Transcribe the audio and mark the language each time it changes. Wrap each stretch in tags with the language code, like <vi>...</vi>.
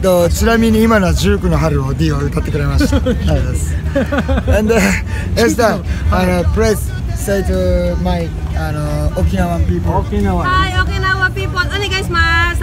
<ja>ちなみに今のは19の春を D を歌ってくれました。はい。</ja> <en>And Esther, please say to my Okinawan people. Okinawa. Hi, Okinawa people.</en> <ja>お願いします。</ja>